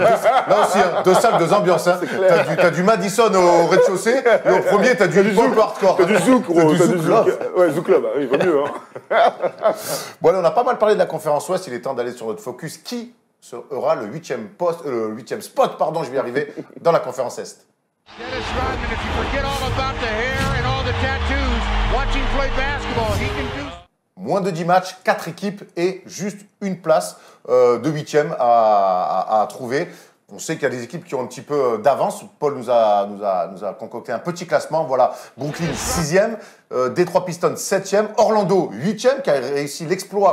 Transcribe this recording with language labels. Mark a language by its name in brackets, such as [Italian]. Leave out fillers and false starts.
[French] là aussi, hein, deux salles, deux ambiances. Hein. T'as du Madison au rez-de-chaussée, et au premier, t'as du Zouk hardcore. T'as du Zouk, gros. Ouais, Zouk là, il vaut mieux. Hein. Bon, allez, on a pas mal parlé de la conférence Ouest, il est temps d'aller sur notre focus. Qui sera le 8e poste, le 8e spot, pardon, je vais y arriver, dans la conférence Est. [English] Dennis Rodman, if you forget all about the hair and all the tattoos, watching play basketball, he can do... [French] Moins de 10 matchs, 4 équipes et juste une place de 8e à trouver. On sait qu'il y a des équipes qui ont un petit peu d'avance. Paul nous a concocté un petit classement. Voilà, Brooklyn 6e, Détroit Pistons 7e, Orlando 8e qui a réussi l'exploit.